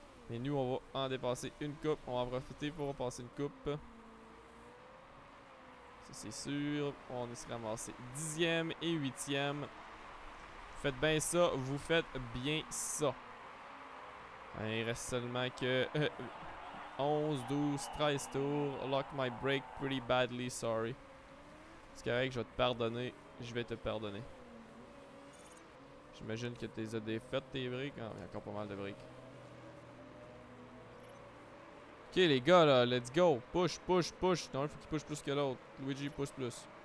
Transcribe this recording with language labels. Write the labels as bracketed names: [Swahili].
[French] Mais nous, on va en dépasser une coupe. On va en profiter pour passer une coupe. Ça, c'est sûr. On est ramassé 10e et 8e. Faites bien ça. Vous faites bien ça. Il reste seulement que 11, 12, 13 tours. [English] Lock my brake pretty badly, sorry. [French] C'est correct, je vais te pardonner. Je vais te pardonner. J'imagine que t'es défaite tes briques. Ah, il y a encore pas mal de briques. Ok, les gars, là, [English] let's go. Push, push, push. [French] Non, il faut qu'il push plus que l'autre. Luigi, push plus.